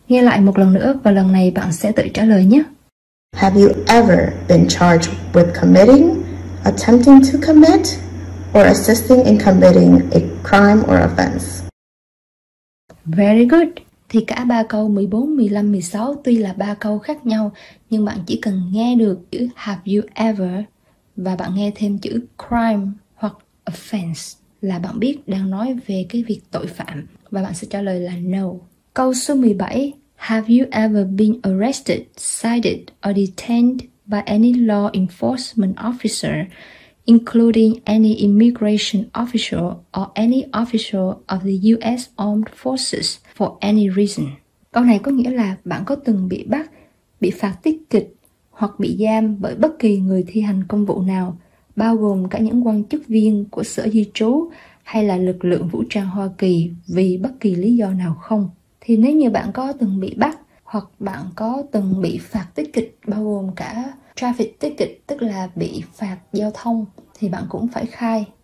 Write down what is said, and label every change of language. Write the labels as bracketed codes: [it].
[vi] Nghe lại một lần nữa và lần này bạn sẽ tự trả lời nhé. [en] Have you ever been charged with committing, attempting to commit, or assisting in committing a crime or offense? Very good. [vi] Thì cả ba câu 14, 15, 16 tuy là ba câu khác nhau, nhưng bạn chỉ cần nghe được chữ [en] have you ever [vi] và bạn nghe thêm chữ crime hoặc offense là bạn biết đang nói về cái việc tội phạm và bạn sẽ trả lời là no. Câu số 17. [en] Have you ever been arrested, cited, or detained by any law enforcement officer, including any immigration official or any official of the US Armed Forces for any reason? [vi] Câu này có nghĩa là bạn có từng bị bắt, bị phạt tích kịch hoặc bị giam bởi bất kỳ người thi hành công vụ nào, bao gồm cả những quan chức viên của sở di trú hay là lực lượng vũ trang Hoa Kỳ vì bất kỳ lý do nào không? Thì nếu như bạn có từng bị bắt hoặc bạn có từng bị phạt tích kịch bao gồm cả traffic ticket tức là bị phạt giao thông thì bạn cũng phải khai.